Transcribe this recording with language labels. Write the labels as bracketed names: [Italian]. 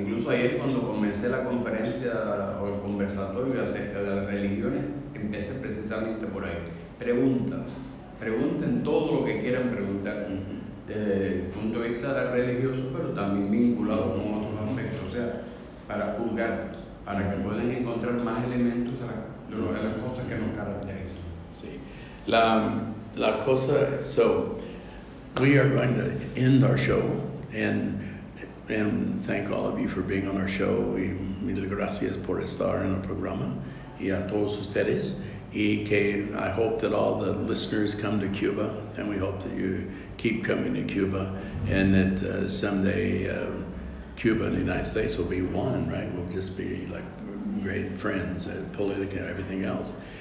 [Spanish] Incluso ayer cuando comencé la conferencia o el conversatorio acerca de las religiones, empecé precisamente por ahí. Preguntas. Pregunten todo lo que quieran preguntar desde el punto de vista religioso, pero también vinculado con otros aspectos. O sea, para juzgar, para que puedan encontrar más elementos de las cosas que nos caracterizan. Sí. La cosa es, [English] so, we are going to end our show and thank all of you for being on our show. [Spanish] Y mil gracias por estar en el programa. Y a todos ustedes. Y que [English] I hope that all the listeners come to Cuba, and we hope that you keep coming to Cuba, and that someday Cuba and the United States will be one, right? We'll just be like great friends, politically and everything else.